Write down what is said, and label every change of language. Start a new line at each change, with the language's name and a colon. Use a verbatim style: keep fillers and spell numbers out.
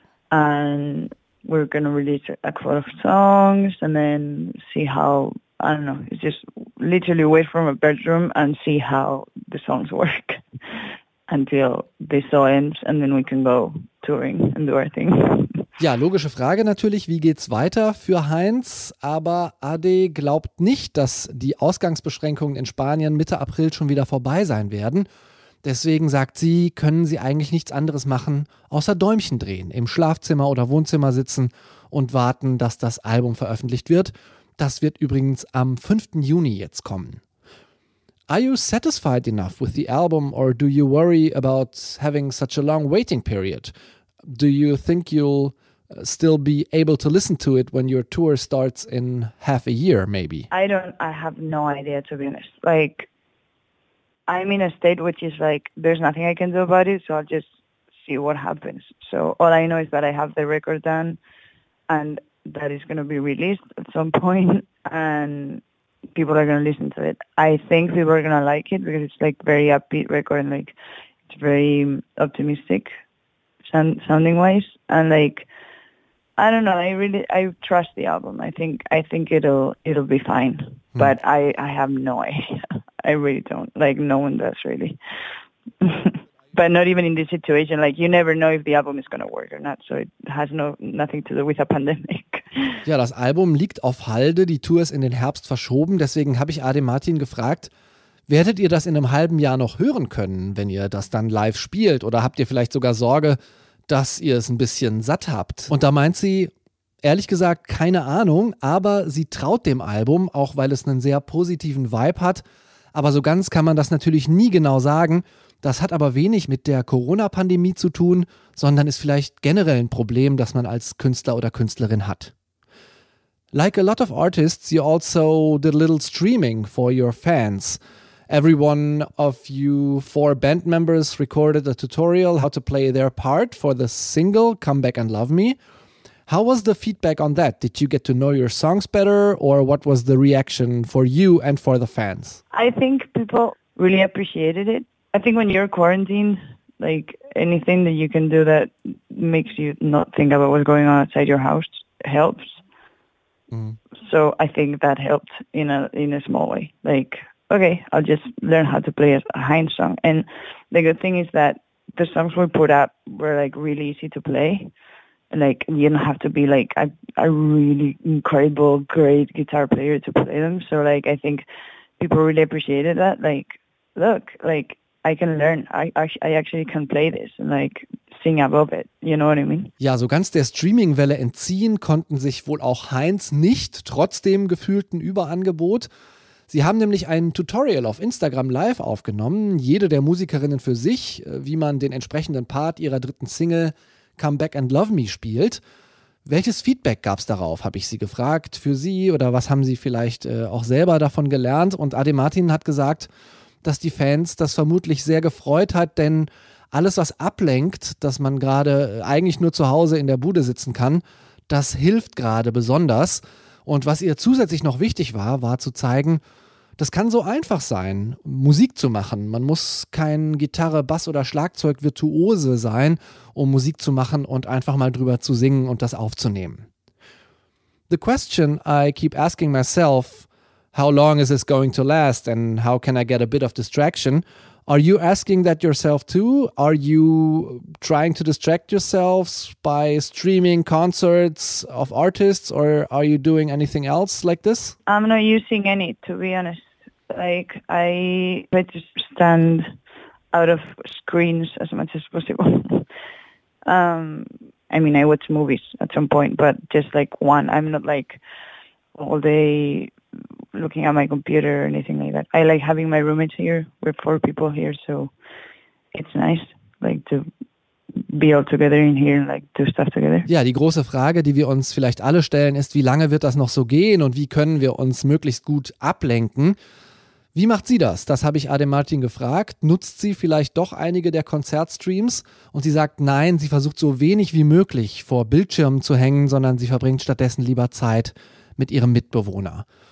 English: And we're going to release a couple of songs and then see how, I don't know, it's just literally wait from a bedroom and see how the songs work until this all ends. And then we can go touring and do our thing.
German: Ja, logische Frage natürlich, wie geht's weiter für Heinz? Aber Ade glaubt nicht, dass die Ausgangsbeschränkungen in Spanien Mitte April schon wieder vorbei sein werden. Deswegen sagt sie, können sie eigentlich nichts anderes machen, außer Däumchen drehen, im Schlafzimmer oder Wohnzimmer sitzen und warten, dass das Album veröffentlicht wird. Das wird übrigens am fünften Juni jetzt kommen.
English: Are you satisfied enough with the album, or do you worry about having such a long waiting period? Do you think you'll still be able to listen to it when your tour starts in half a year, maybe? I don't, I have no idea, to be honest. Like, I'm in a state which is like, there's nothing I can do about it, so I'll just see what happens. So all I know is that I have the record done, and that is going to be released at some point, and people are going to listen to it. I think people are going to like it, because it's like very upbeat record, and like, it's very optimistic sounding wise, and like, I don't know, I really I trust the album. I think I think it'll it'll be fine. Mm. But I, I have no idea. I really don't. Like, no one does really. But not even in this situation, like you never know if the album is going to work or not. So it has no nothing to do with a pandemic.
German: Ja, das Album liegt auf Halde, die Tour ist in den Herbst verschoben. Deswegen habe ich Ade Martin gefragt, werdet ihr das in einem halben Jahr noch hören können, wenn ihr das dann live spielt? Oder habt ihr vielleicht sogar Sorge, dass ihr es ein bisschen satt habt? Und da meint sie, ehrlich gesagt, keine Ahnung, aber sie traut dem Album, auch weil es einen sehr positiven Vibe hat. Aber so ganz kann man das natürlich nie genau sagen. Das hat aber wenig mit der Corona-Pandemie zu tun, sondern ist vielleicht generell ein Problem, das man als Künstler oder Künstlerin hat.
English: Like a lot of artists, you also did a little streaming for your fans. Every one of you four band members recorded a tutorial how to play their part for the single Come Back and Love Me. How was the feedback on that? Did you get to know your songs better, or what was the reaction for you and for the fans? I think people really appreciated it. I think when you're quarantined, like anything that you can do that makes you not think about what's going on outside your house helps. Mm. So I think that helped in a in a small way. Like, okay, I'll just learn how to play a Heinz song. And the good thing is that the songs we put up were like really easy to play. Like you don't have to be like a, a really incredible, great guitar player to play them. So like I think people really appreciated that. Like, look, like. I can learn. I, I actually can play this and like sing above it. You know what I mean?
German: Ja, so ganz der Streaming-Welle entziehen konnten sich wohl auch Heinz nicht, trotz dem gefühlten Überangebot. Sie haben nämlich ein Tutorial auf Instagram live aufgenommen. Jede der Musikerinnen für sich, wie man den entsprechenden Part ihrer dritten Single Come Back and Love Me spielt. Welches Feedback gab es darauf, habe ich sie gefragt, für sie oder was haben sie vielleicht äh, auch selber davon gelernt? Und Ade Martin hat gesagt, dass die Fans das vermutlich sehr gefreut hat, denn alles, was ablenkt, dass man gerade eigentlich nur zu Hause in der Bude sitzen kann, das hilft gerade besonders. Und was ihr zusätzlich noch wichtig war, war zu zeigen, das kann so einfach sein, Musik zu machen. Man muss kein Gitarre, Bass oder Schlagzeug-Virtuose sein, um Musik zu machen und einfach mal drüber zu singen und das aufzunehmen.
English: The question I keep asking myself: how long is this going to last and how can I get a bit of distraction? Are you asking that yourself too? Are you trying to distract yourselves by streaming concerts of artists, or are you doing anything else like this? I'm not using any, to be honest. Like, I try to stand out of screens as much as possible. um, I mean, I watch movies at some point, but just like one. I'm not like all day looking at my computer or anything like that. I like having my roommates here. We're four people here, so it's nice, like, to be all together in here and like do stuff together.
German: Ja, die große Frage, die wir uns vielleicht alle stellen, ist, wie lange wird das noch so gehen und wie können wir uns möglichst gut ablenken? Wie macht sie das? Das habe ich Ade Martin gefragt. Nutzt sie vielleicht doch einige der Konzertstreams? Und sie sagt, nein, sie versucht so wenig wie möglich vor Bildschirmen zu hängen, sondern sie verbringt stattdessen lieber Zeit mit ihrem Mitbewohner.